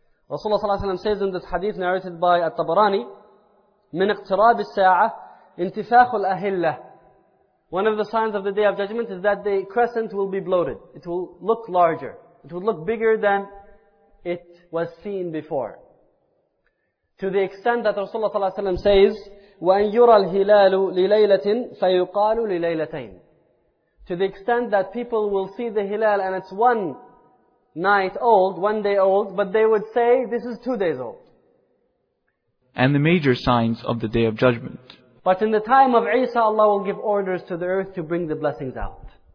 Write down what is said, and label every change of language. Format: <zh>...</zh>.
<en>Rasulullah ﷺ says in this hadith narrated by At-Tabarani,</en> <ar>"Min iqtirab al-sa'ah, intifaq al-ahilla."</ar> <en>One of the signs of the Day of Judgment is that the crescent will be bloated. It will look larger. It will look bigger than it was seen before. To the extent that Rasulullah ﷺ says,</en> <ar>وَأَنْ يُرَى الْهِلَالُ لِلَيْلَةٍ فَيُقَالُ لِلَيْلَتَيْنِ.</ar> <en>To the extent that people will see the hilal and it's one night old, one day old, but they would say this is 2 days old. And the major signs of the Day of Judgment. But in the time of Isa, Allah will give orders to the earth to bring the blessings out.</en>